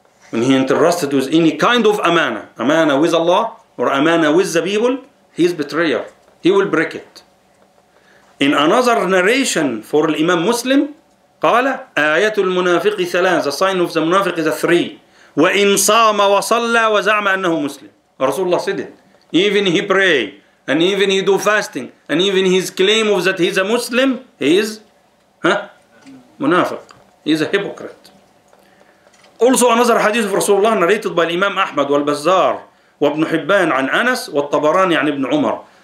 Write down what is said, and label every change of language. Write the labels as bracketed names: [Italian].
[English] When he entrusted with any kind of amana, amana with Allah or amana with the people, he is betrayer. He will break it. In another narration for Imam Muslim, [Arabic] قال آيات المنافق ثلاث. [English] The sign of the منافق is a three. [Arabic] وإن صام وصلى وزعم أنه مسلم. [English] Rasulullah said it. Even he pray and even he do fasting and even his claim of that he is a Muslim, he is منافق. He is a hypocrite. Also another hadith of Rasulullah narrated by Imam Ahmad wal-Bazzar wa-Ibn Hibban an Anas wa-Tabarani an Ibn Umar.